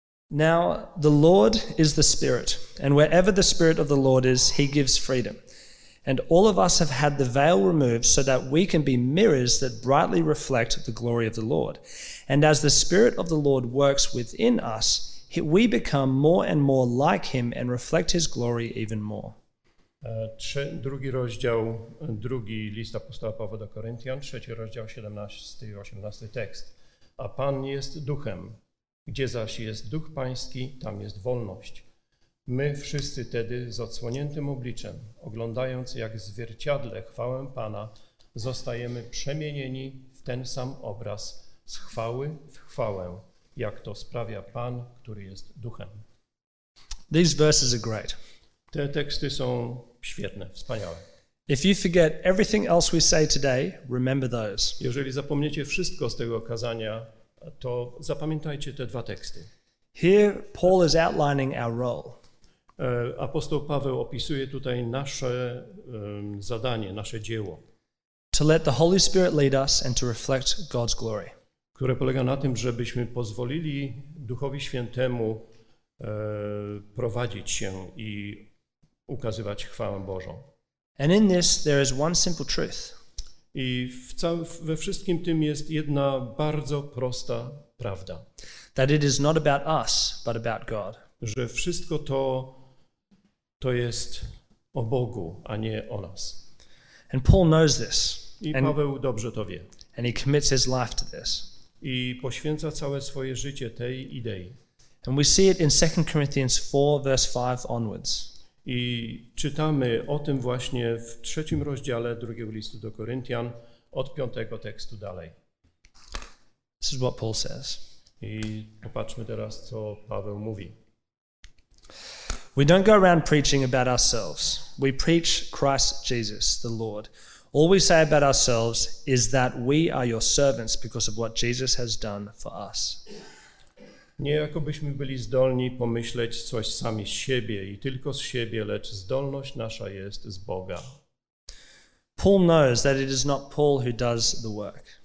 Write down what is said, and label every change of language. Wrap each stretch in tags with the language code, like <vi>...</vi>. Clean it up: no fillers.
<en>Now, the Lord is the Spirit, and wherever the Spirit of the Lord is, he gives freedom. And all of us have had the veil removed so that we can be mirrors that brightly reflect the glory of the Lord. And as the Spirit of the Lord works within us, we become more and more like him and reflect his glory even more.</en> <pl>Drugi rozdział, drugi list apostoła Pawła do Koryntian, trzeci rozdział, 17 i 18 tekst. A Pan jest Duchem. Gdzie zaś jest Duch Pański, tam jest wolność. My wszyscy tedy z odsłoniętym obliczem, oglądając jak zwierciadle chwałę Pana, zostajemy przemienieni w ten sam obraz, z chwały w chwałę, jak to sprawia Pan, który jest Duchem.</pl> <en>These verses are great.</en> <pl>Te teksty są świetne, wspaniałe.</pl> <en>If you forget everything else we say today, remember those.</en> <pl>Jeżeli zapomniecie wszystko z tego kazania, to zapamiętajcie te dwa teksty.</pl> <en>Here Paul is outlining our role.</en> <pl>Apostoł Paweł opisuje tutaj nasze zadanie, nasze dzieło.</pl> <en>To let the Holy Spirit lead us and to reflect God's glory.</en> <pl>Które polega na tym, żebyśmy pozwolili Duchowi Świętemu prowadzić się i ukazywać chwałę Bożą.</pl> <en>And in this there is one simple truth.</en> <pl>I we wszystkim tym jest jedna bardzo prosta prawda.</pl> <en>That it is not about us, but about God.</en> <pl>Że wszystko to jest o Bogu, a nie o nas.</pl> <en>And Paul knows this.</en> <pl>I Paweł dobrze to wie.</pl> <en>And he commits his life to this.</en> <pl>I poświęca całe swoje życie tej idei.</pl> <en>And we see it in 2 Corinthians 4, verse 5 onwards.</en> <pl>I czytamy o tym właśnie w trzecim rozdziale drugiego listu do Koryntian, od piątego tekstu dalej.</pl> <en>This is what Paul says.</en> <pl>I popatrzmy teraz, co Paweł mówi.</pl> <en>We don't go around preaching about ourselves. We preach Christ Jesus, the Lord. All we say about ourselves is that we are your servants because of what Jesus has done for us.</en> <pl>Niejako byśmy byli zdolni pomyśleć coś sami z siebie i tylko z siebie, lecz zdolność nasza jest z Boga.</pl> <en>Paul knows that it is not Paul who does the work.</en>